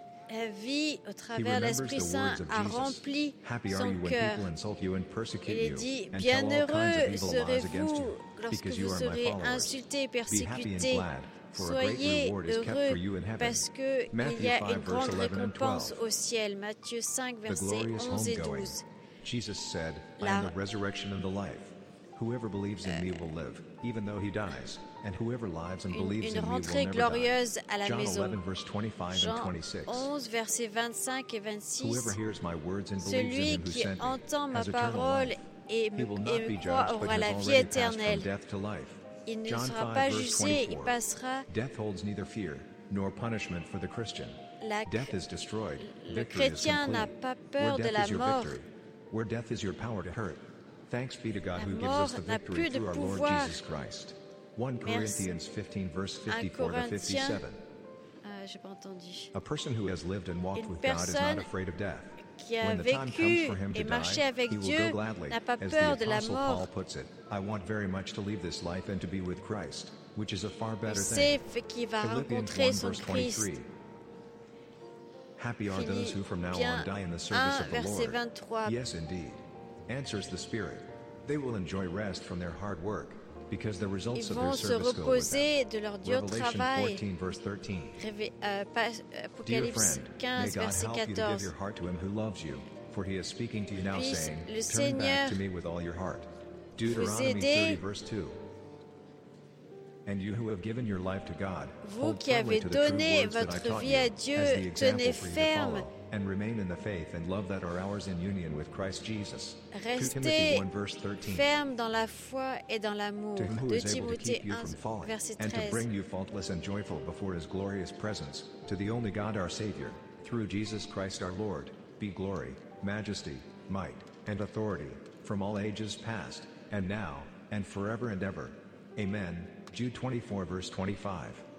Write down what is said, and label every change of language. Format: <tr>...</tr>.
<fr>La vie au travers de l'Esprit Saint a rempli son cœur. Il est dit, bienheureux serez-vous lorsque vous serez insulté et persécuté. Soyez heureux parce qu'il y a une grande récompense au ciel. Matthieu 5, versets 11 et 12.</fr> <en>Jesus said, I am the resurrection and the life. Whoever believes in me will live, even though he dies. And whoever lives and believes in me will never die.</en> <fr>Une rentrée glorieuse à la maison.</fr> <en>John 11, verse 25 and 26.</en> <fr>Jean 11, versets 25 et 26.</fr> <en>Whoever hears my words and believes in him who sent me has eternal life.</en> <fr>Celui qui entend ma parole et me croit aura la vie éternelle.</fr> <en>From death to life.</en> <fr>Il ne sera pas jugé, il passera.</fr> <en>Death holds neither fear nor punishment for the Christian. Death is destroyed.</en> <fr>Le chrétien n'a pas peur de la mort.</fr> <en>Where death is your power to hurt. Thanks be to God who gives us the victory through our Lord Jesus Christ. 1 Corinthians 15, verse 54-57.</en> <fr>J'ai pas entendu.</fr> <en>A person who has lived and walked with God is not afraid of death.</en> <fr>Qui a vécu et marché avec Dieu n'a pas peur de la mort.</fr> <en>Paul puts it, I want very much to leave this life and to be with Christ, which is a far better</en> <fr>thing. Qui va rencontrer son Christ.</fr> <en>Happy are those who from now on die in the service of the Lord. Yes, indeed. Answers the Spirit. They will enjoy rest from their hard work because the results of their service go with them. Revelation 14, verse 13.</en> <fr>Apocalypse 15, verset 14.</fr> <en>May God help you to give your heart to him who loves you, for he is speaking to you now saying, turn back to me with all your heart. Deuteronomy 30, verse 2. And you who have given your life to God,</en> <fr>vous qui avez donné votre vie à Dieu, tenez ferme</fr> <en>and remain in the faith and love that are ours in union with Christ Jesus.</en> <fr>Restez ferme dans la foi et dans l'amour. 2 Timothée 1, verset 13.</fr> <en>And to bring you faultless and joyful before his glorious presence, to the only God our Savior, through Jesus Christ our Lord, be glory, majesty, might, and authority, from all ages past, and now, and forever and ever. Amen. Jude 24, verse 25.</en>